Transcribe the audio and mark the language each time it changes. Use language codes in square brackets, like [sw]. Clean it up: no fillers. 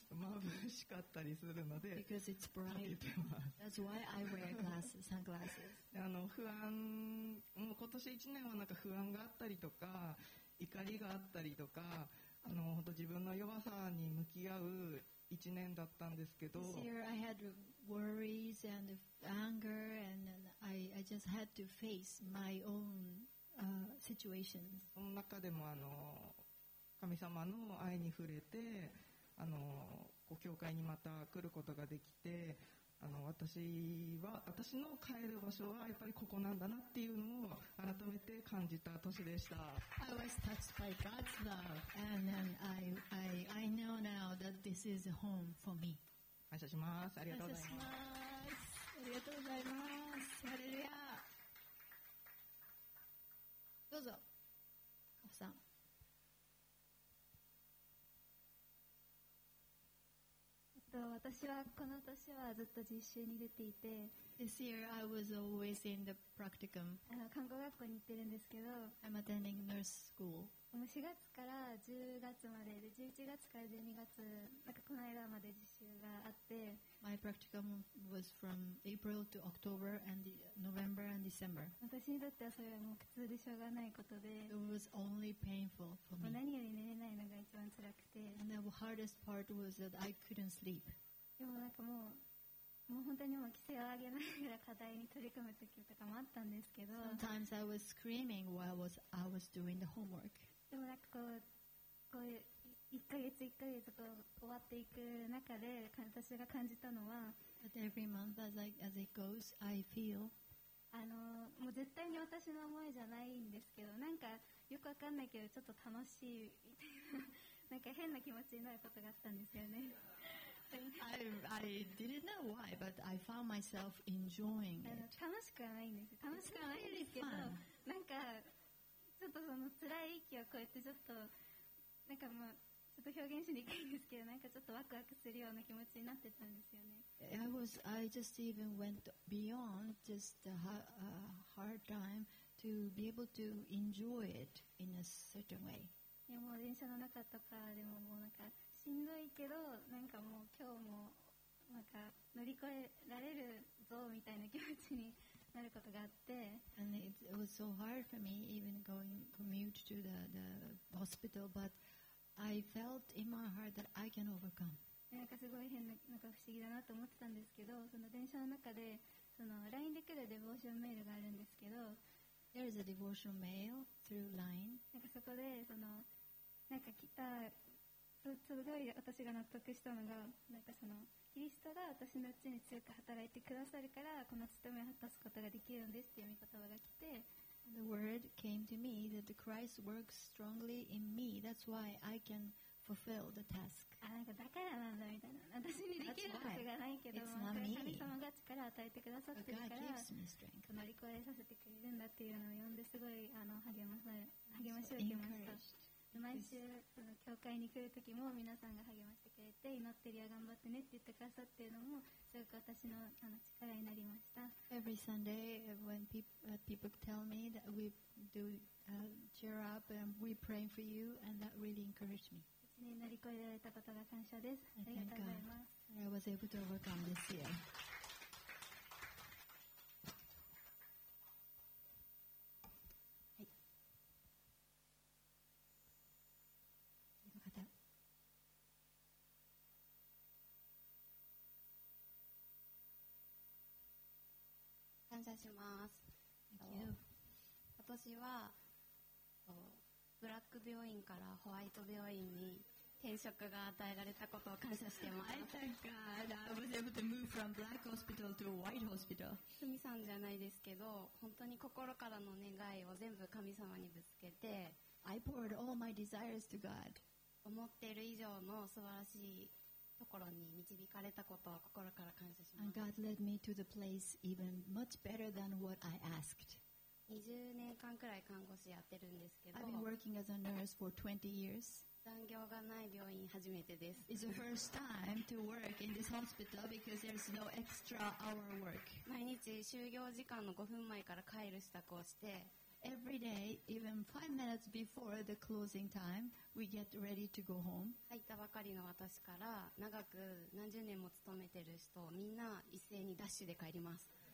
[ja] まぶしかったりするので、 [en] because it's bright. That's why I wear glasses, sunglasses. [ja] 不安、もう今年1年はなんか不安があったりとか、怒りがあったりとか。本当自分の弱さに向き合う一年だったんですけど、 [en] This year I had worries and anger and I just had to face my own situations. [ja] その中でも神様の愛に触れて、教会にまた来ることができて、私の帰る場所はやっぱりここなんだなっていうのを改めて感じた年でした。 [en] I was touched by God's love and then I know now that this is home for me. [ja] 感謝します。ありがとうございます。感謝します。ありがとうございます。ハレルヤ。どうぞ。カフさん。私はこの年はずっと実習に出ていて、 [en] This year I was always in the practicum. [ja] 看護学校に行ってるんですけど、 [en] I'm attending nurse school. [ja] 4月から10月まで、で11月から12月、なんかこの間まで実習があって、 [en] My practicum was from April to October and November and December. [ja] 私にとってはそれはもう苦痛でしょうがないことで、 [en] It was only painful for me. [ja] 何より寝れないのが一番辛くて、 [en] And the hardest part was that I couldn't sleep. [ja] でもなんかもう。もう本当にもう規制を上げながら課題に取り組む時とかもあったんですけど、 [en] Sometimes I was screaming while I was doing the homework. [ja] でもなんかこう1ヶ月1ヶ月こう終わっていく中で私が感じたのは、 [en] But every month as it goes, I feel [ja] もう絶対に私の思いじゃないんですけど、なんかよくわかんないけどちょっと楽しいなんか変な気持ちになることがあったんですよね。 [en] I didn't know why, but I found myself enjoying it. [ja] 楽しくはないんです。楽しくはないんですけど、なんかちょっとその辛い息を超えてちょっとなんかもうちょっと表現しにくいんですけど、なんかちょっとワクワクするような気持ちになってたんですよね。 [en] I just even went beyond just the hard time to be able to enjoy it in a certain way. [ja] いやもう電車の中とかでももうなんか。しんどいけど、なんかもう今日もなんか乗り越えられるぞみたいな気持ちになることがあって、 [en] And it was so hard for me even going commute to the hospital, but I felt in my heart that I can overcome. [ja] なんかすごい変な、なんか不思議だなと思ってたんですけど、その電車の中でその LINE で来るデボーションメールがあるんですけど、 [en] There is a devotional mail through LINE. [ja] なんかそこでそのなんか来た、すごい私が納得したのが、なんかそのキリストが私のうちに強く働いてくださるから、この務めを果たすことができるんですっていう御言葉が来て、 [en] The word came to me that the Christ works strongly in me. That's why I can fulfill the task. [ja] あ、なんかだからなんだみたいな。私にできるわけがないけど、神様が力を与えてくださってるから、乗り越えさせてくれるんだっていうのを読んで、すごい励ましを受けました。毎週その教会に来るときも皆さんが励ましてくれて祈ってるよ頑張ってねって言ってくださっているのもすごく私 の, あの力になりました。 [en] Every Sunday when people tell me that we do cheer up and we pray for you and that really encouraged me。 [ja] 乗り越えられたことが感謝です。ありがとうございます。 [en] I was able to overcome this year。 [ja] 感謝します。今年はブラック病院からホワイト病院に転職が与えられたことを感謝してます。 [en] I thank God I was able to move from black hospital to white hospital。 [ja] ふみさんじゃないですけど本当に心からの願いを全部神様にぶつけて、 [en] I poured all my desires to God。 [ja] 思っている以上の素晴らしい心に導かれたことを心から感謝します。 [en] And God led me to the place even much better than what I asked. [ja] 20年間くらい看護師やってるんですけど、 [en] I've been working as a nurse for 20 years. [ja] 残業がない病院初めてです。 [en] It's the first time to work in this hospital because there's no extra hour work. [ja] 毎日就業時間の5分前から帰る支度をして、 [en] Every day, even 5 minutes before the closing time,We get ready to go home. [ja] 入ったばかりの私から長く何十年も勤めてる人みんな一斉にダッシュで帰ります。